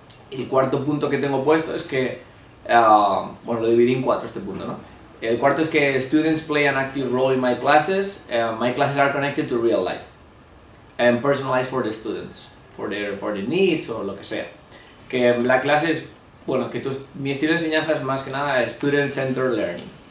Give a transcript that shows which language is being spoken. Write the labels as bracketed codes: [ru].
[es] El cuarto punto que tengo puesto es que, bueno, lo dividí en 4 este punto, ¿no? El cuarto es que [en] students play an active role in my classes. My classes are connected to real life and personalized for the students, for their needs [es] o lo que sea. Que la clase es, bueno, que mi estilo de enseñanza es más que nada student-centered learning.